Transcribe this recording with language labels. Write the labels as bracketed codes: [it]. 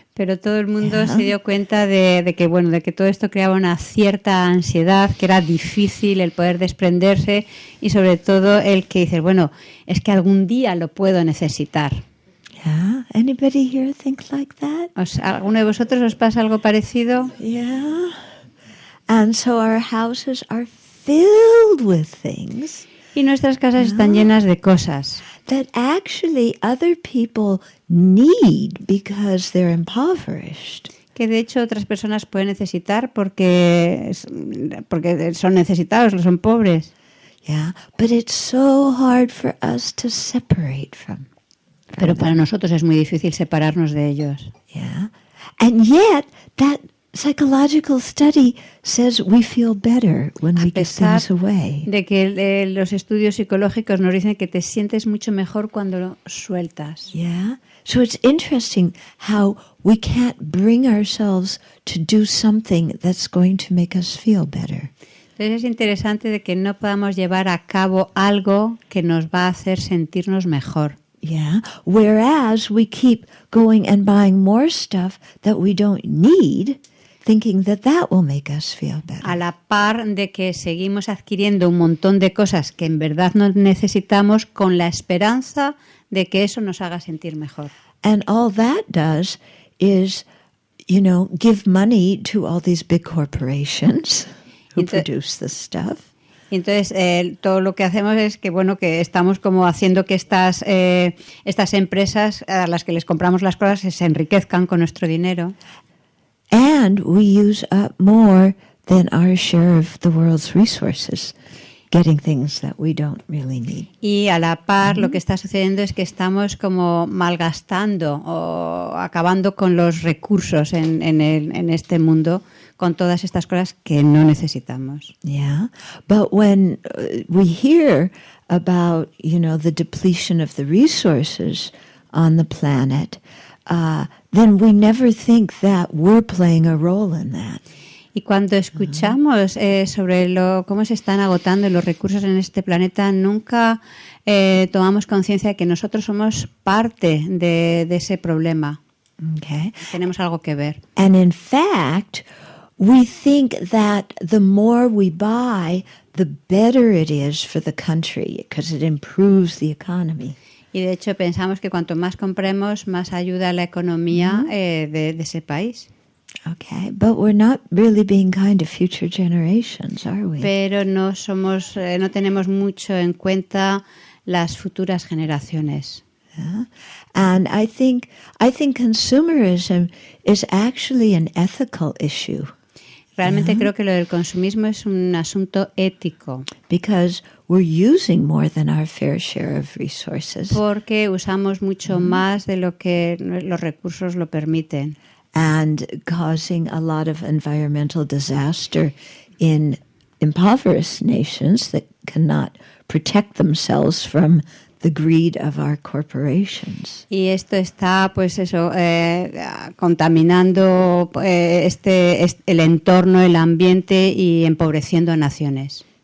[es] Pero todo el mundo se dio cuenta de que todo esto creaba una cierta ansiedad, que era difícil el poder desprenderse, y sobre todo el que dices, bueno, es que algún día lo puedo necesitar. [en] Yeah. Anybody here think like that? [es] ¿O sea, alguno de vosotros os pasa algo parecido? [en] Yeah. And so our houses are filled with things. [es] Y nuestras casas están llenas de cosas. [en] That actually other people need because they're impoverished. [es] Que de hecho otras personas pueden necesitar porque son necesitados, no son pobres. [en] Yeah, but it's so hard for us to separate from. [es] Pero para nosotros es muy difícil separarnos de ellos. [en] Yeah. And yet that psychological study says we feel better when we give things away. [es] De que los estudios psicológicos nos dicen que te sientes mucho mejor cuando lo sueltas. [en] Yeah. So it's interesting how we can't bring ourselves to do something that's going to make us feel better. [es] Entonces es interesante de que no podamos llevar a cabo algo que nos va a hacer sentirnos mejor. [en] Yeah. Whereas we keep going and buying more stuff that we don't need, thinking that that will make us feel better. [es] A la par de que seguimos adquiriendo un montón de cosas que en verdad no necesitamos, con la esperanza de que eso nos haga sentir mejor. [en] And all that does is, you know, give money to all these big corporations who produce this stuff. [es] Entonces, todo lo que hacemos es que, bueno, que estamos como haciendo que estas empresas a las que les compramos las cosas se enriquezcan con nuestro dinero. [en] And we use up more than our share of the world's resources, getting things that we don't really need. [es] Y a la par, lo que está sucediendo es que estamos como malgastando o acabando con los recursos en este mundo con todas estas cosas que no necesitamos. [en] Yeah, but when we hear about, you know, the depletion of the resources on the planet, then we never think that we're playing a role in that. [es] Y cuando escuchamos sobre cómo se están agotando los recursos en este planeta, nunca tomamos conciencia de que nosotros somos parte de ese problema. [en] Okay. [es] Tenemos algo que ver. [en] And in fact, we think that the more we buy, the better it is for the country, because it improves the economy. [es] Y de hecho pensamos que cuanto más compremos, más ayuda a la economía de ese país. [en] Okay, but we're not really being kind to future generations, are we? [es] Pero no tenemos mucho en cuenta las futuras generaciones. [en] Yeah. And I think consumerism is actually an ethical issue. [es] Realmente creo que lo del consumismo es un asunto ético. [en] Because we're using more than our fair share of resources. [es] Porque usamos mucho más de lo que los recursos lo permiten. [en] And causing a lot of environmental disaster in impoverished nations that cannot protect themselves from the greed of our corporations. [es] Y esto está, pues eso, contaminando el entorno, el ambiente y empobreciendo a naciones.